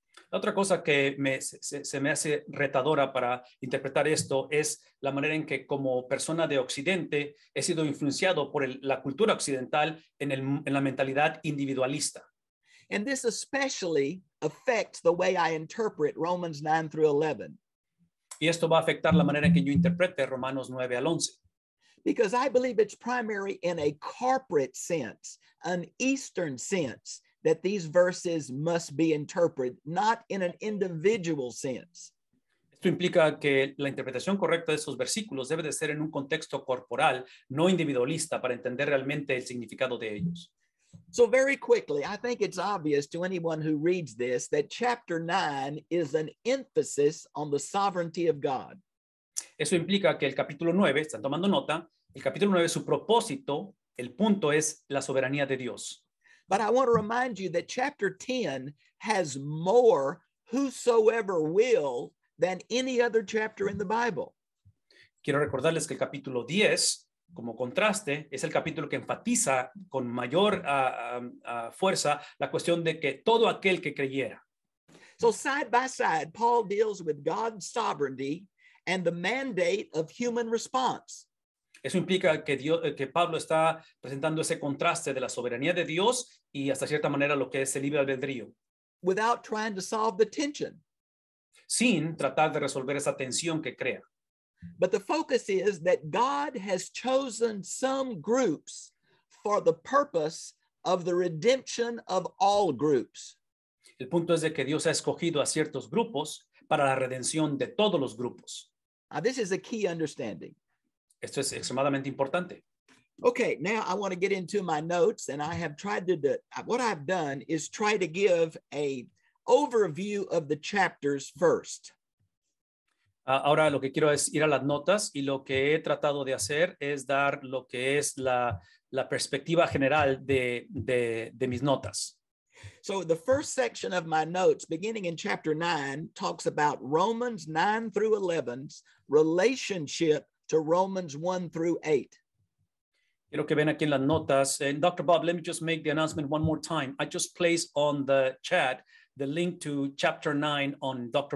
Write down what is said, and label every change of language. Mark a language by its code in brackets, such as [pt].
[es] La otra cosa que se me hace retadora para interpretar esto es la manera en que como persona de Occidente he sido influenciado por la cultura occidental en la mentalidad individualista. [en] And this especially affects the way I interpret Romans 9 through 11. [es] Y esto va a afectar la manera en que yo interprete Romanos 9 al 11. [en] Because I believe it's primary in a corporate sense, an Eastern sense, that these verses must be interpreted, not in an individual sense. [es] Esto implica que la interpretación correcta de esos versículos debe de ser en un contexto corporal, no individualista, para entender realmente el significado de ellos. [en] So very quickly, I think it's obvious to anyone who reads this that chapter 9 is an emphasis on the sovereignty of God. [es] Eso implica que el capítulo 9, están tomando nota, el capítulo 9, su propósito, el punto es la soberanía de Dios. [en] But I want to remind you that chapter 10 has more whosoever will than any other chapter in the Bible. [es] Quiero recordarles que el capítulo 10, como contraste, es el capítulo que enfatiza con mayor fuerza la cuestión de que todo aquel que creyera. [en] So side by side, Paul deals with God's sovereignty and the mandate of human response. [es] Eso implica que Pablo está presentando ese contraste de la soberanía de Dios y hasta cierta manera lo que es el libre albedrío. [en] Without trying to solve the tension. [es] Sin tratar de resolver esa tensión que crea. [en] But the focus is that God has chosen some groups for the purpose of the redemption of all groups. [es] El punto es de que Dios ha escogido a ciertos grupos para la redención de todos los grupos. [en] Now, this is a key understanding. [es] Esto es extremadamente importante. [en] Okay, now I want to get into my notes, and I have tried to do what I've done is try to give a overview of the chapters first. [es] Ahora lo que quiero es ir a las notas, y lo que he tratado de hacer es dar lo que es la perspectiva general de mis notas. [en] So the first section of my notes, beginning in chapter 9, talks about Romans 9 through 11's relationship to Romans 1 through 8. [es] Quiero que vean aquí en las notas. [en] And Dr. Bob, let me just make the announcement one more time. I just placed on the chat the link to chapter 9 on Dr.